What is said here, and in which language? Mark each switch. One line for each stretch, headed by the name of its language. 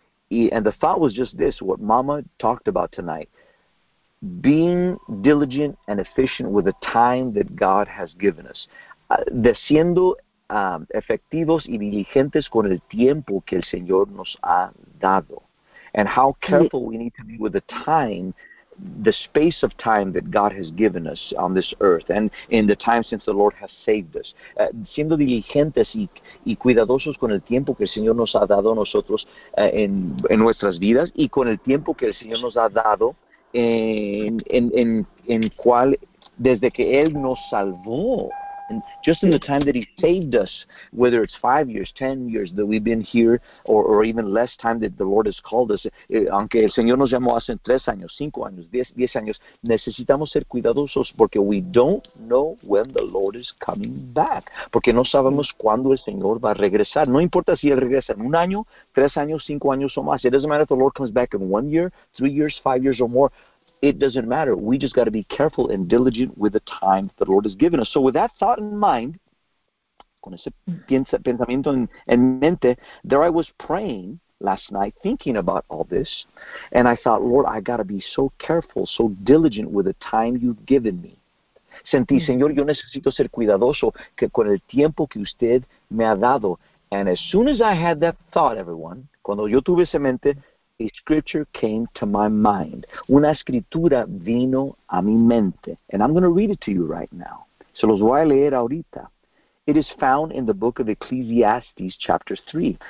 English: And the thought was just this, what Mama talked about tonight. Being diligent and efficient with the time that God has given us.
Spanish: Siendo efectivos y diligentes con el tiempo que el Señor nos ha dado.
English: And how careful we need to be with the time, the space of time that God has given us on this earth and in the time since the Lord has saved us.
Spanish: Siendo diligentes y cuidadosos con el tiempo que el Señor nos ha dado a nosotros en nuestras vidas y con el tiempo que el Señor nos ha dado en cual desde que Él nos salvó.
English: And just in the time that He saved us, whether it's 5 years, 10 years that we've been here, or even less time that the Lord has called us,
Spanish: aunque el Señor nos llamó hace 3 años, 5 años, 10 años, necesitamos ser cuidadosos porque
English: we don't know when the Lord is coming back.
Spanish: Porque no sabemos cuándo el Señor va a regresar. No importa si Él regresa en 1 año, 3 años, 5 años o más.
English: It doesn't matter if the Lord comes back in 1 year, 3 years, 5 years or more. It doesn't matter. We just got to be careful and diligent with the time the Lord has given us. So with that thought in mind,
Spanish: con ese pensamiento en mente,
English: there I was praying last night, thinking about all this, and I thought, Lord, I got to be so careful, so diligent with the time you've given me.
Spanish: Sentí, Señor, yo necesito ser cuidadoso con el tiempo que usted me ha dado.
English: And as soon as I had that thought, everyone,
Spanish: cuando yo tuve esa mente,
English: a scripture came to my mind.
Spanish: Una escritura vino a mi mente.
English: And I'm going to read it to you right now.
Spanish: Se los voy a leer ahorita.
English: It is found in the book of Ecclesiastes, chapter 3.